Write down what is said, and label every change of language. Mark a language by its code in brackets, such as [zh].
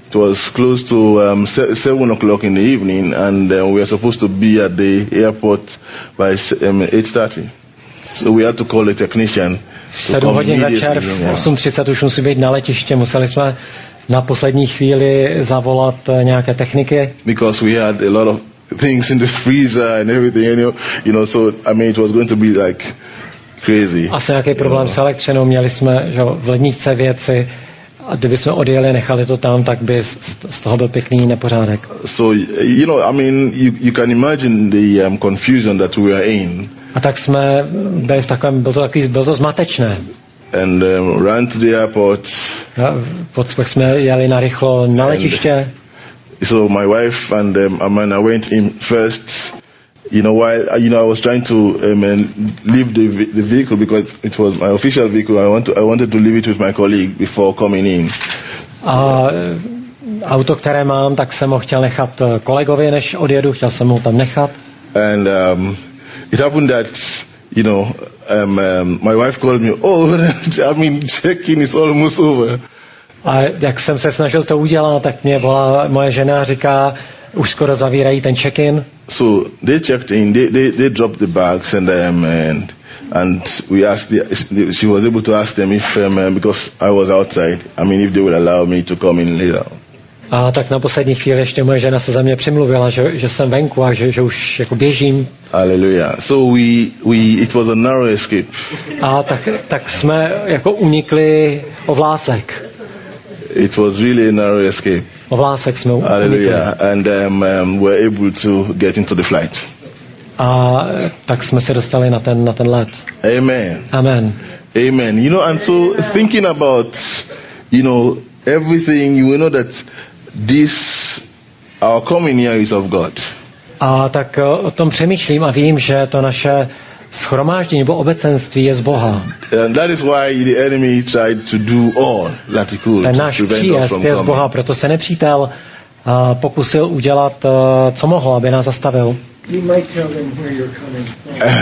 [en] It was close to 7 o'clock in the evening, and we are supposed to be at the airport by 8:30. So we had to call a technician. [cs] 7 hodin večer, 8:30 už musí být na letiště. Museli jsme na poslední chvíli zavolat nějaké techniky. [en] Because we had a lot of things in the freezer and everything, you know, so I mean it was going to be like crazy. [cs] Asi nějaký problém s elektřinou, měli jsme, že v ledničce věci, a kdyby jsme odjeli, nechali to tam, tak by z toho byl pěkný nepořádek. [en] So you know, I mean you can imagine the confusion that we are in. [cs] A tak jsme byli v takovém, bylo to zmatečné. [en] And ran to the airport. [cs] A pak jsme jeli narychlo na letiště. [en] So my wife and Amanda went in first, you know, while I was trying to leave the vehicle, because it was my official vehicle. I wanted to leave it with my colleague before coming in. [cs] A auto, které mám, tak jsem ho chtěl nechat kolegovi, než odjedu, chtěl jsem ho tam nechat. [en] And it happened that, you know, my wife called me, check-in is almost over. [cs] A jak jsem se snažil to udělat, tak mě volá moje žena, říká, už skoro zavírají ten check-in. [en] So they checked in, they dropped the bags and we asked she was able to ask them if because I was outside, I mean if they would allow me to come in later. [cs] A tak na poslední chvíli ještě moje žena se za mě přimluvila, že jsem venku a že už jako běžím. Hallelujah. [en] So we it was a narrow escape. [cs] A tak jsme jako unikli ovlásek. [en] It was really a narrow escape. [cs] Ovlásek jsme unikli. Hallelujah. [en] And we're able to get into the flight. [cs] A tak jsme se dostali na ten let. Amen. Amen. Amen. [en] You know, and so thinking about, you know, everything, you know that this our coming here is of God. [cs] A tak o tom přemýšlím a vím, že to naše shromáždění nebo obecenství je z Boha. [en] And that is why the enemy tried to do all that he could. [cs] Ten náš příjezd je z Boha, proto se nepřítel pokusil udělat co mohl, aby nás zastavil. [en] You might tell them where you're coming from.